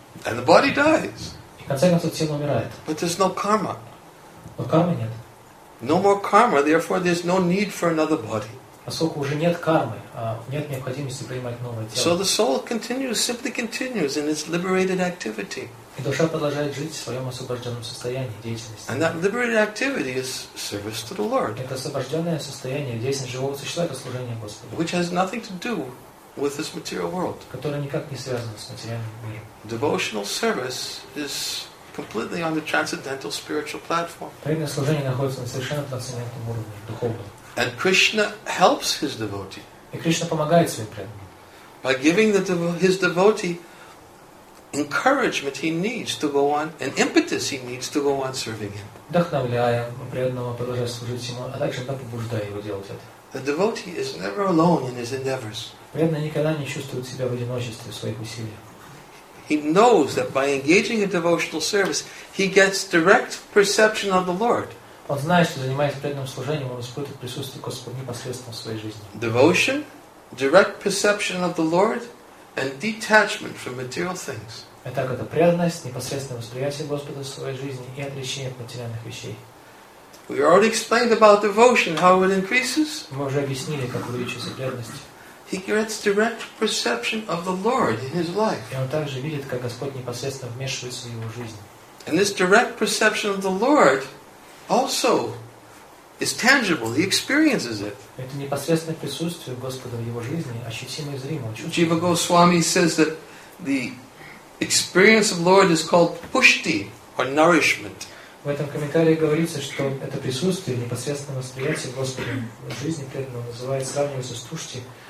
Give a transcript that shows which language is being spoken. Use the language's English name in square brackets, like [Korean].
[English] And the body dies. [Russian] И в конце концов тело умирает. [English] But there's no karma. [Russian] Но кармы нет. [English] No more karma, therefore there's no need for another body. [Russian] Поскольку уже нет кармы, нет необходимости принимать новое тело. [English] So the soul continues, simply continues in its liberated activity. [Russian] И душа продолжает жить в своем освобожденном состоянии деятельности. [English] And that liberated activity is service to the Lord. [Russian] Это освобожденное состояние деятельности живого существа, это служение Господу. [English] Which has nothing to do with this material world. [Russian] Которое никак не связано с материальным миром. [English] Devotional service is completely on the transcendental spiritual platform. [Russian] Преданное служение находится на совершенно трансцендентном уровне, духовном. [English] And Krishna helps his devotee. [Russian] И Кришна помогает своим преданным. [English] By giving his devotee encouragement he needs to go on, and impetus he needs to go on serving him. [Russian] Вдохновляя преданного продолжать служить ему, а также побуждая его делать это. [English] The devotee is never alone in his endeavors. [Russian] Преданный никогда не чувствует себя в одиночестве в своих усилиях. [English] He knows that by engaging in devotional service, he gets direct perception of the Lord. [Russian] Он знает, что занимаясь преданным служением, он испытывает присутствие Господа непосредственно в своей жизни. [English] Devotion, direct perception of the Lord, and detachment from material things. [Russian] Итак, это преданность, непосредственное восприятие Господа в своей жизни и отречение от материальных вещей. [English] We already explained about devotion, how it increases. [Russian] Мы уже объяснили, как увеличивается преданность. [English] He gets direct perception of the Lord in his life. [Russian] И он также видит, как Господь непосредственно вмешивается в его жизнь. [English] And this direct perception of the Lord also is tangible. He experiences it. [Russian] Это непосредственное присутствие Господа в его жизни ощутимо и зримо. [English] Jiva Goswami says that the experience of the Lord is called pushti, or nourishment. [Russian] В этом комментарии говорится, что это присутствие, непосредственное восприятие Господа в жизни преданного называется, сравнивается с тушти,